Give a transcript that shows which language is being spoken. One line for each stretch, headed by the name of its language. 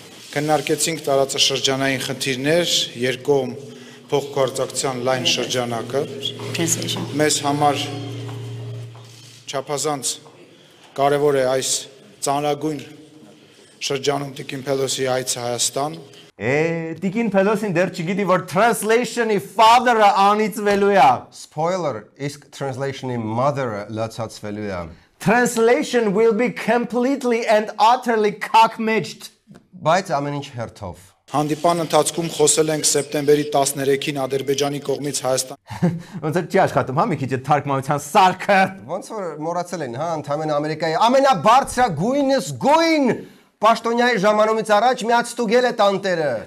Armenian: Կնարկեցինք տարածաշրջանային խնդիրներ, երկում փոխգործակցության լայն շրջանակը։ Մեզ համար չափազանց կարևոր է այս ծանրագույն շրջանում Տիկին Փելոսի այցը Հայաստան։ Տիկին Փելոսին դեռ չգիտի, որ
English: translation-
Armenian: ի
English: father-
Armenian: ը անիծվելու է։
English: Spoiler,
Armenian: իսկ
English: translation-
Armenian: ի
English: mother-
Armenian: ը լացացվելու է։
English: Translation will be completely and utterly cock-matched.
Armenian: Բայց ամեն ինչ հերթով։ Հանդիպան ընթացքում խոսել ենք սեպտեմբերի 13-ին Ադրբեջանի կողմից Հայաստան։ Ոնց է չի աշխատում, հա, մի քիչ այդ թարգմանության սարքը։ Ոնց որ մոռացել են, հա, ընդհանրապես Ամերիկայի ամենաբարձրագույնս գույն պաշտոնյայի ժամանումից առաջ միացտուգել է տանտերը։